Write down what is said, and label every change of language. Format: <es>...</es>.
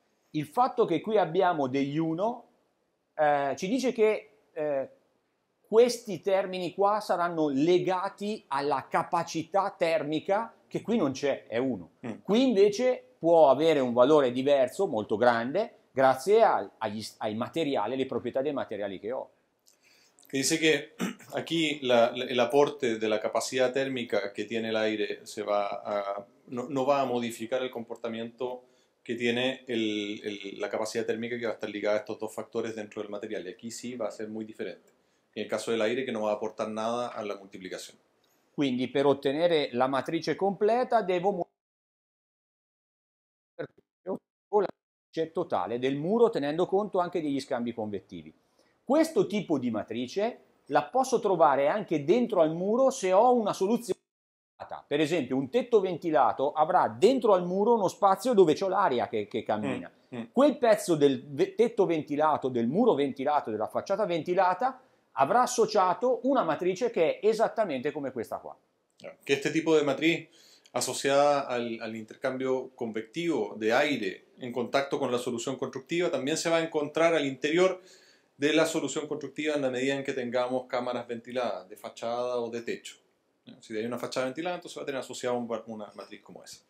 <it>Il fatto che qui abbiamo degli uno ci dice che questi termini qua saranno legati alla capacità termica che qui non c'è, è uno. Qui invece può avere un valore diverso, molto grande, grazie ai materiali, alle proprietà dei materiali che ho.</it> <es>Que dice que aquí el aporte de la capacidad térmica que tiene el aire se va a, no va a modificar el comportamiento que tiene la capacidad térmica que va a estar ligada a estos dos factores dentro del material. Y aquí sí va a ser muy diferente. En el caso del aire, que no va a aportar nada a la multiplicación.</es> <it>Quindi per ottenere la matrice completa devo matrice totale del muro tenendo conto anche degli scambi convettivi. Questo tipo di matrice la posso trovare anche dentro al muro se ho una soluzione. Per esempio, un tetto ventilato avrà dentro al muro uno spazio dove c'è l'aria che cammina. Quel pezzo del tetto ventilato, del muro ventilato, della facciata ventilata avrà associato una matrice che è esattamente come questa qua.</it> <es>Que este tipo de matriz asociada al intercambio convectivo de aire en contacto con la solución constructiva también se va a encontrar al interior de la solución constructiva en la medida en que tengamos cámaras ventiladas de fachada o de techo. Si hay una fachada ventilada, entonces va a tener asociada una matriz como esa,</es>